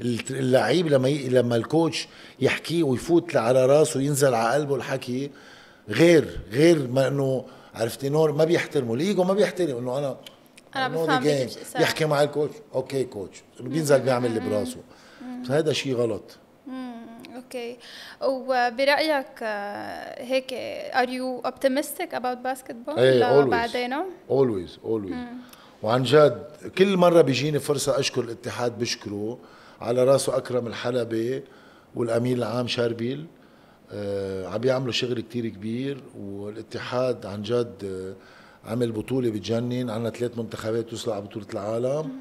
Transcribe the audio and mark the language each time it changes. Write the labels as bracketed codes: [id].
[ar] اللعيب لما الكوتش يحكي ويفوت على راسه وينزل على قلبه الحكي، غير ما انه عرفتي نور ما بيحترمه الايجو، ما بيحترم انه انا بفهم. يحكي مع الكوتش، اوكي كوتش، بينزل بيعمل اللي براسه، هذا شيء غلط. اوكي. وبرايك هيك [en] are you optimistic about basketball؟ hey, always. always always [ar] وعن جد كل مره بيجيني فرصه اشكر الاتحاد بشكره، على راسه اكرم الحلبي والامين العام شاربيل، عم بيعملوا شغل كتير كبير. والاتحاد عن جد عمل بطولة بتجنن، عنا 3 منتخبات وصلوا على بطولة العالم.